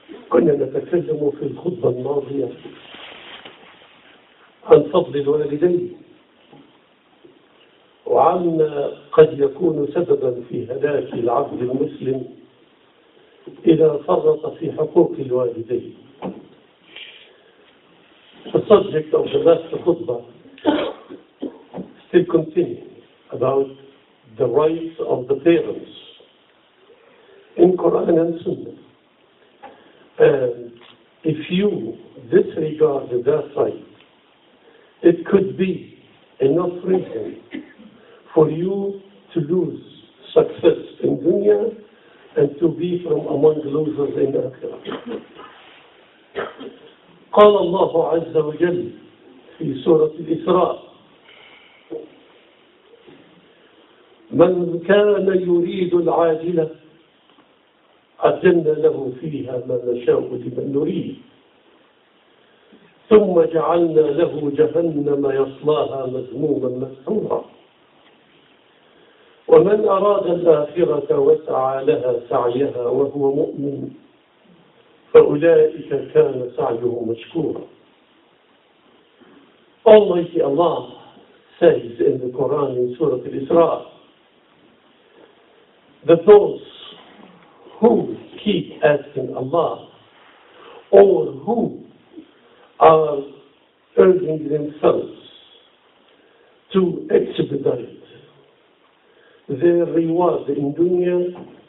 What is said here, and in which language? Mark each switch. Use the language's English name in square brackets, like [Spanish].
[Arabic] كنا نتكلم في الخطبة الماضية عن فضل الوالدين. وعما قد يكون سببا في هلاك العبد المسلم إذا فرط في حقوق الوالدين. [English] The subject of the last khutbah still continues about the rights of the parents in Quran and Sunnah. And if you disregard that right, it could be enough reason for you to lose success in dunya and to be from among losers in akhirah. [Arabic] قال الله عز وجل في سورة الإسراء من كان يريد العاجلة عجلنا له فيها ما نشاء لمن نريد ثم جعلنا له جهنم يصلاها مذموما مدحورا ومن أراد الآخرة وسعى لها سعيها وهو مؤمن فأولئك كان سعيهم مشكورا. [English] Almighty Allah says in the Quran in Surah Al-Isra, that those who keep asking Allah or who are urging themselves to expedite their reward in dunya,